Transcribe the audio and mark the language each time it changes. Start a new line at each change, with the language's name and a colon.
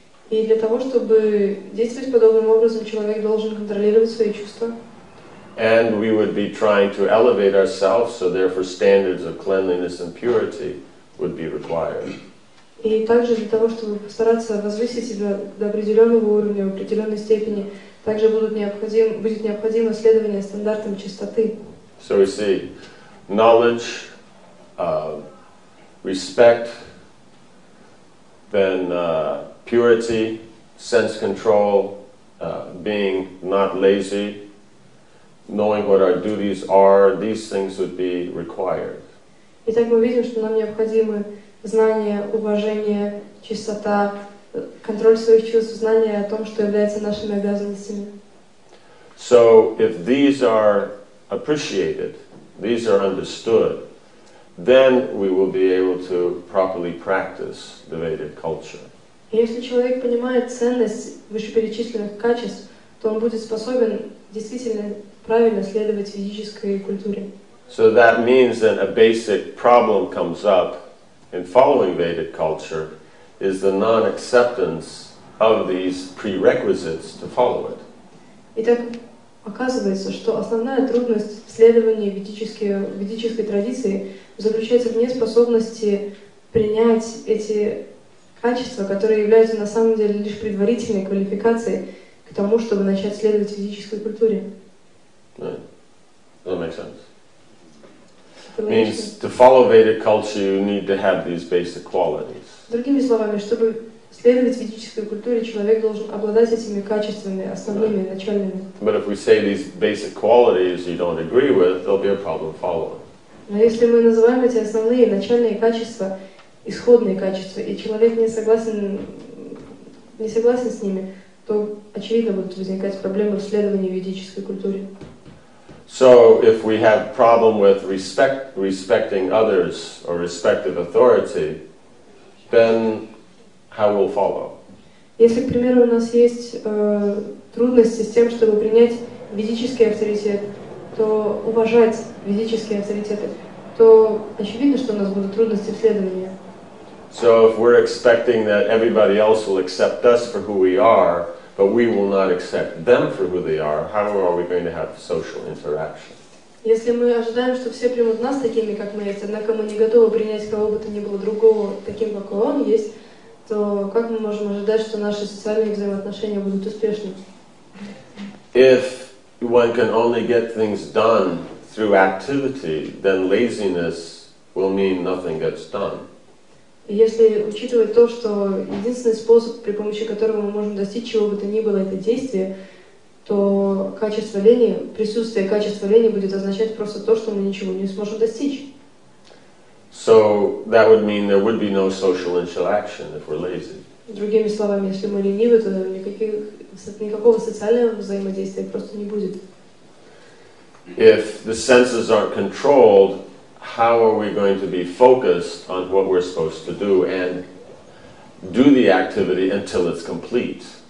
Russian: И для того, чтобы действовать подобным образом, человек должен контролировать свои чувства.
English: And we would be trying to elevate ourselves, so therefore standards of cleanliness and purity would be required.
Russian: И также для того, чтобы постараться возвысить себя до определенного уровня, в определенной степени, также будет необходимо следование стандартам чистоты.
English: So we see knowledge, respect, then purity, sense control, being not lazy, knowing what our duties are, these things would be required.
Russian: Итак, мы видим, что нам необходимы знание, уважение, чистота, контроль своих чувств, знание о том, что является нашими обязанностями.
English: So, if these are appreciated, these are understood, then we will be able to properly practice the Vedic culture.
Russian: Если человек понимает ценность вышеперечисленных качеств, то он будет способен действительно правильно следовать ведической культуре.
English: So that means that a basic problem comes up in following Vedic culture is the non-acceptance of these prerequisites to follow it.
Russian: Итак, оказывается, что основная трудность в следовании ведической традиции заключается в неспособности принять эти качества, которые являются на самом деле лишь предварительной квалификацией к тому, чтобы начать следовать ведической культуре.
English: Right. That makes sense. It means to follow Vedic culture, you need to have these basic qualities.
Russian: Другими словами, чтобы следовать ведической культуре, человек должен обладать этими качествами основными, right, начальными.
English: But if we say these basic qualities you don't agree with, there'll be a problem following.
Russian: Но если мы называем эти основные начальные качества, исходные качества, и человек не согласен с ними, то очевидно будут возникать проблемы в следовании ведической культуре.
English: So if we have problem with respecting others or respective authority, then how will follow?
Russian: Если, к примеру, у нас есть трудности с тем, чтобы принять ведический авторитет, то уважать ведические авторитеты, то очевидно, что у нас будут трудности в следовании.
English: So if we're expecting that everybody else will accept us for who we are, but we will not accept them for who they are, how are we going to have social interaction?
Russian: Если мы ожидаем, что все примут нас такими, как мы есть, однако мы не готовы принять кого бы то ни было другого таким, какой он есть, то как мы можем ожидать, что наши социальные взаимоотношения будут успешны?
English: If one can only get things done through activity, then laziness will mean nothing gets done.
Russian: Если учитывать то, что единственный способ, при помощи которого мы можем достичь чего бы то ни было, это действие, то качество лени, присутствие качества лени будет означать просто то, что мы ничего не сможем достичь.
English: So that would mean there would be no social interaction if we're lazy.
Russian: Другими словами, если мы ленивы, то никакого социального взаимодействия просто не будет.
English: If the senses aren't controlled, how are we going to be focused on what we're supposed to do and do the activity until it's complete?